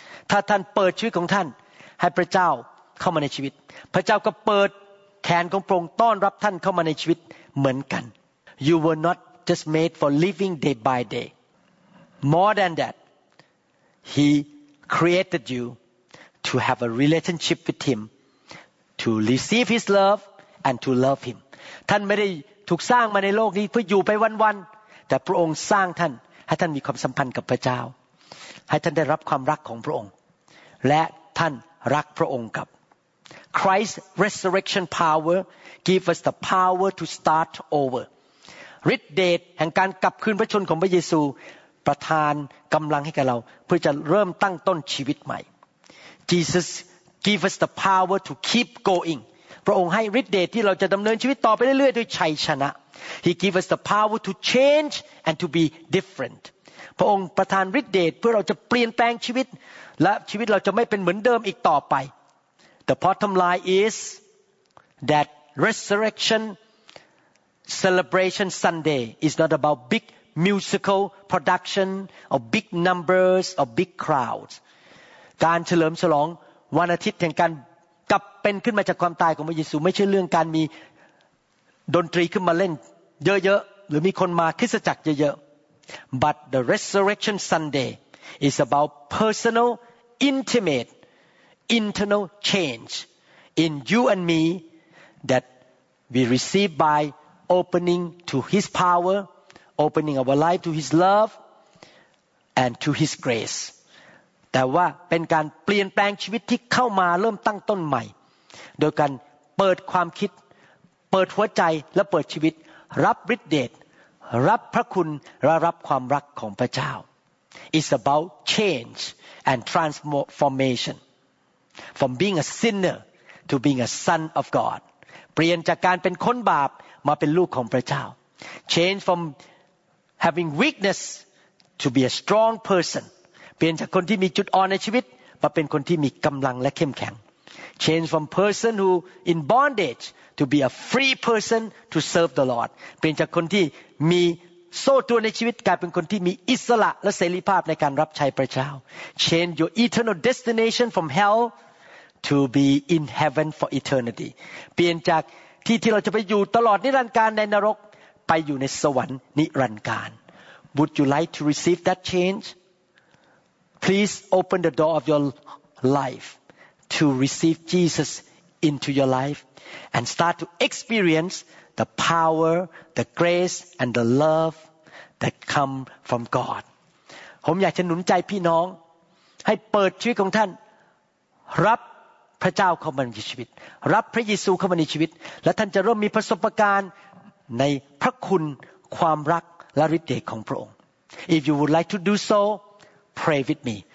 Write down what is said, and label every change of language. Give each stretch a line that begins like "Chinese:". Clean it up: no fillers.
Thai: ถ้าท่านเปิดชีวิตของท่านให้พระเจ้าเข้ามาในชีวิตพระเจ้าก็เปิดแขนของพระองค์ต้อนรับท่านเข้ามาในชีวิตเหมือนกัน
English: You were not just made for living day by day More than that He created you to have a relationship with Him to receive His love and to love Him
Thai: ท่านไม่ได้ถูกสร้างมาในโลกนี้เพื่ออยู่ไปวันๆแต่พระองค์สร้างท่านให้ท่านมีความสัมพันธ์กับพระเจ้าให้ท่านได้รับความรักของพระองค์และท่านรักพระองค์กับ
English: Christ's resurrection power give us the power to start over
Thai: ฤทธิ์เดชแห่งการกลับคืนพระชนของพระเยซูประทานกำลังให้กับเราเพื่อจะเริ่มตั้งต้นชีวิตใหม่
English: Jesus give us the power to keep going
Thai: พระองค์ให้ฤทธิ์เดชที่เราจะดำเนินชีวิตต่อไปเรื่อยๆด้วยชัยชนะ
English: He give us the power to change and to be different
Thai: พระองค์ประทานฤทธิ์เดชเพื่อเราจะเปลี่ยนแปลงชีวิตและชีวิตเราจะไม่เป็นเหมือนเดิมอีกต่อไป
English: The bottom line is that resurrection celebration Sunday is not about big musical production or big numbers or big crowds
Thai: การเฉลิมฉลองวันอาทิตย์แห่งการกลับเป็นขึ้นมาจากความตายของพระเยซูไม่ใช่เรื่องการมีดนตรีขึ้นมาเล่นเยอะๆหรือมีคนมาคริสตจักรเยอะๆ
English: But the Resurrection Sunday is about personal, intimate, internal change in you and me that we receive by opening to His power, opening our life to His love, and to His grace.
Thai: แต่ว่าเป็นการเปลี่ยนแปลงชีวิตที่เข้ามาเริ่มตั้งต้นใหม่โดยการเปิดความคิดเปิดหัวใจและเปิดชีวิตรับฤทธิ์เดชรับพระคุณและรับความรักของพระเจ้า
English: It's about change and transformation from being a sinner to being a son of God.
Thai: เปลี่ยนจากการเป็นคนบาปมาเป็นลูกของพระเจ้า
English: Change from having weakness to be a strong person.
Thai: เปลี่ยนจากคนที่มีจุดอ่อนในชีวิตมาเป็นคนที่มีกำลังและเข้มแข็ง
English: Change from person who in bondage to be a free person to serve the Lord.
Thai: เปลี่ยนจากคนที่มีโซ่ตัวในชีวิตกลายเป็นคนที่มีอิสระและเสรีภาพในการรับใช้พระเจ้า
English: Change your eternal destination from hell to be in heaven for eternity.
Thai: เปลี่ยนจากที่เราจะไปอยู่ตลอดนิรันดร์การในนรกไปอยู่ในสวรรค์นิรันดร์การ
English: Would you like to receive that change? Please open the door of your life to receive Jesus into your life and start to experience the power, the grace, and the love that come from God.
Thai: ผมอยากจะหนุนใจพี่น้องให้เปิดชีวิตของท่านรับพระเจ้าเข้ามาในชีวิตรับพระเยซูเข้ามาในชีวิตและท่านจะเริ่มมีประสบการณ์ในพระคุณความรักและฤทธิ์เดชของพระองค์
English: If you would like to do so, pray with me.